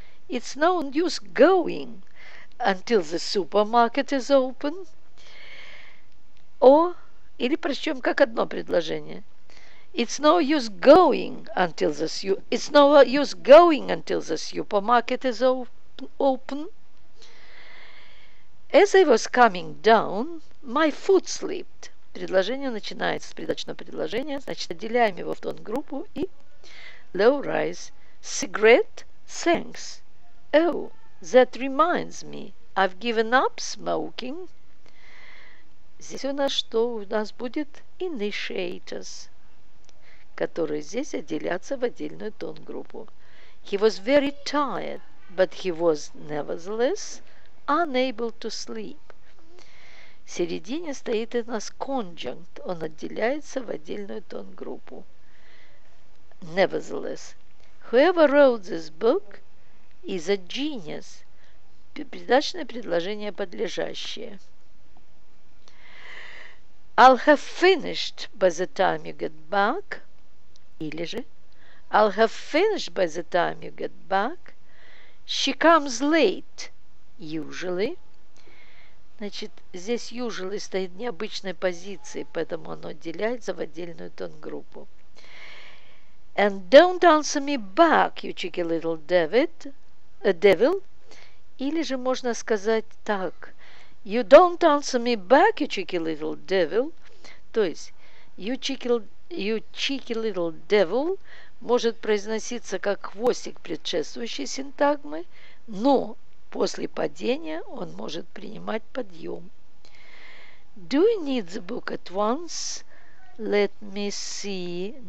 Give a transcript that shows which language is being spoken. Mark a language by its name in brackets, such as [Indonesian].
[English] It's no use going until the supermarket is open. [Russian] Или прочтем как одно предложение. [English] It's no use going until the supermarket is open. As I was coming down, my foot slipped. [Russian] Предложение начинается с придаточного предложения. Значит, отделяем его в тон-группу и low rise. [English] Cigarette, thanks. Oh, that reminds me. I've given up smoking. [Russian] Здесь у нас что? У нас будет initiators, которые здесь отделятся в отдельную тон-группу. [English] He was very tired, but he was nevertheless unable to sleep. [Russian] В середине стоит у нас conjunct. Он отделяется в отдельную тон-группу. [English] Nevertheless. Whoever wrote this book is a genius. [Russian] Придаточное предложение подлежащее. [English] I'll have finished by the time you get back. [Russian] Или же [English] I'll have finished by the time you get back. She comes late. Usually. [Russian] Значит, здесь usually стоит в необычной позиции, поэтому оно отделяется в отдельную тон-группу. [English] And don't answer me back, you cheeky little David. A devil. [Russian] Или же можно сказать так. [English] You don't answer me back, you cheeky little devil. [Russian] То есть, [English] you cheeky little devil [Russian] может произноситься как хвостик предшествующей синтагмы, но после падения он может принимать подъем. [English] Do you need the book at once? Let me see.